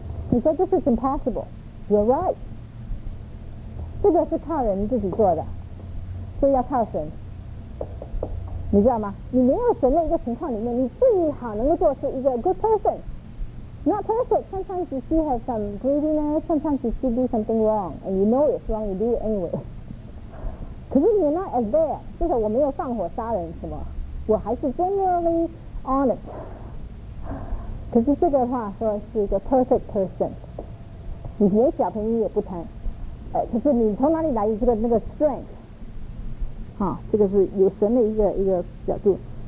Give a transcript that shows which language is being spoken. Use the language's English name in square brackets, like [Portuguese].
[Chinese] 你说 [English] this is impossible， you're right， [Chinese] 这个是靠人自己做的，所以要靠神。你知道吗？你没有神的一个情况里面，你最好能够做是一个 [English] good person， not perfect。 Sometimes you still have some greediness， sometimes you still do something wrong and you know it's wrong, you do it anyway。 [Chinese] 可是 [English] you're not as bad， [Chinese] 就是我没有放火杀人什么，我还是 [English] generally honest。 [Chinese] 可是这个话说是一个 perfect person， 你连小朋友也不贪，可是你从哪里来的这个那个 strength？ 这个是有神的一个角度。